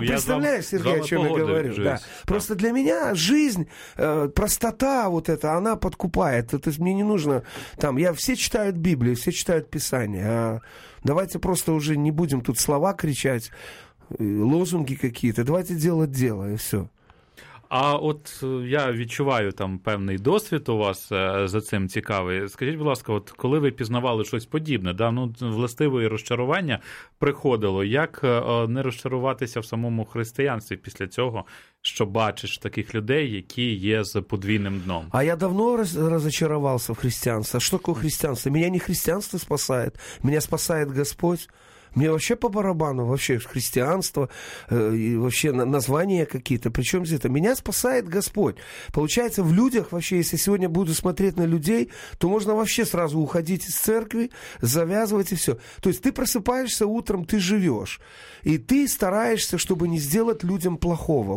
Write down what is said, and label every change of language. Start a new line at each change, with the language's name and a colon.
Russian: представляешь, Сергей, о чем я говорю. Просто для меня жизнь, простота вот эта, она подкупает. То есть мне не нужно там... Я все читают Библию, все читают Писание. Давайте просто уже не будем тут слова кричать, лозунги какие-то. Давайте делать дело,
Ukrainian: і все. А от я відчуваю там певний досвід у вас за цим цікавий. Скажіть, будь ласка, от коли ви пізнавали щось подібне, да, ну, властиве розчарування приходило, як не розчаруватися в самому християнстві після цього, що бачиш таких людей, які є з подвійним дном? А я давно розчарувався в християнстві. А що таке християнство? Мене не християнство спасає, мене спасає Господь.
Russian: Мне вообще по барабану, вообще христианство, и вообще названия какие-то. Причем здесь это? Меня спасает Господь. Получается, в людях вообще, если сегодня буду смотреть на людей, то можно вообще сразу уходить из церкви, завязывать и все. То есть ты просыпаешься утром, ты живешь. И ты стараешься, чтобы не сделать людям плохого.